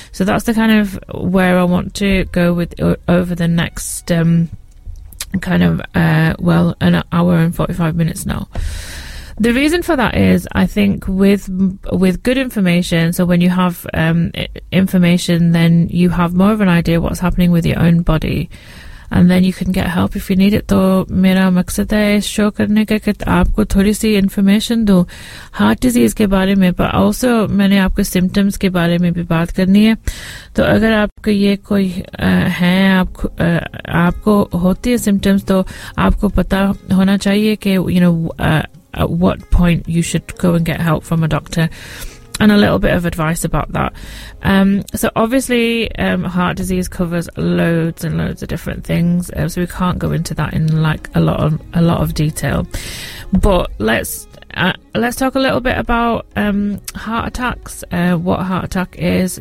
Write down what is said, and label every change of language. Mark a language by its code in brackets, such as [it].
[en] So that's the kind of where I want to go with over the next an hour and 45 minutes now. The reason for that is, I think with good information, so when you have information, then you have more of an idea what's happening with your own body, and then you can get help if you need it. [hi] Though, मेरा मकसद है इस show करने का कि आपको थोड़ी सी information दो heart disease के बारे में, [en] but also [hi] मैंने आपको symptoms के बारे में भी बात करनी है. तो अगर आपको ये कोई है, आपको होती है symptoms, तो आपको पता होना चाहिए के, [en] you know, at what point you should go and get help from a doctor, and a little bit of advice about that. So obviously heart disease covers loads and loads of different things, so we can't go into that in like a lot of detail, but let's talk a little bit about heart attacks, what a heart attack is.